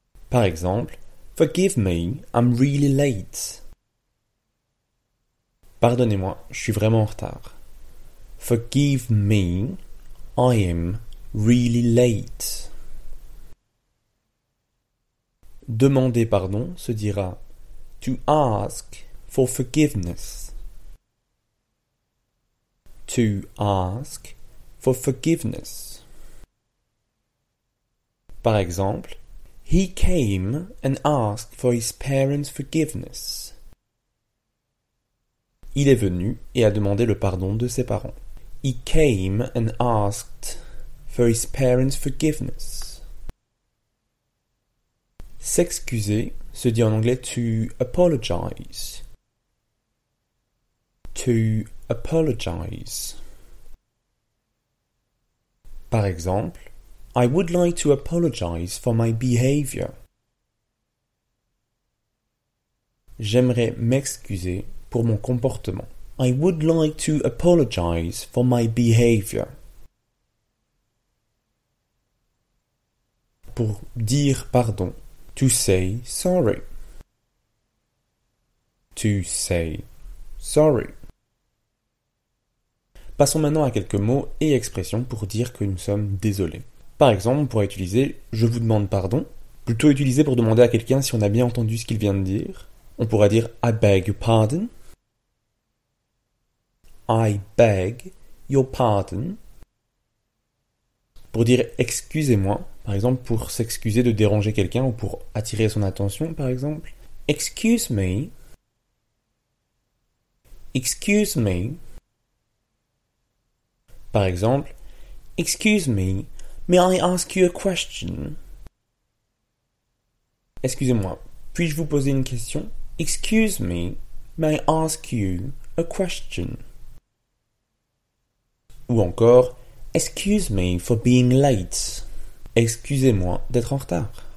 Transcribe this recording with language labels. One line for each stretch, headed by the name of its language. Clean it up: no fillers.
French: Par exemple,
English: forgive me, I'm really late.
French: Pardonnez-moi, je suis vraiment en retard.
English: Forgive me, I am really late.
French: Demander pardon se dira
English: to ask for forgiveness. To ask for forgiveness.
French: Par exemple,
English: he came and asked for his parents' forgiveness.
French: Il est venu et a demandé le pardon de ses parents.
English: He came and asked for his parents' forgiveness.
French: S'excuser se dit en anglais
English: to apologize. To apologize.
French: Par exemple,
English: I would like to apologize for my behavior.
French: J'aimerais m'excuser pour mon comportement.
English: I would like to apologize for my behavior.
French: Pour dire pardon,
English: to say sorry. To say sorry.
French: Passons maintenant à quelques mots et expressions pour dire que nous sommes désolés. Par exemple, on pourrait utiliser « je vous demande pardon », plutôt utilisé pour demander à quelqu'un si on a bien entendu ce qu'il vient de dire. On pourrait dire
English: « I beg your pardon ». I beg your pardon.
French: Pour dire « excusez-moi », par exemple pour s'excuser de déranger quelqu'un ou pour attirer son attention, par exemple.
English: Excuse me. Excuse me.
French: Par exemple,
English: excuse me, may I ask you a question?
French: Excusez-moi, puis-je vous poser une question?
English: Excuse me, may I ask you a question?
French: Ou encore,
English: excuse me for being late.
French: Excusez-moi d'être en retard.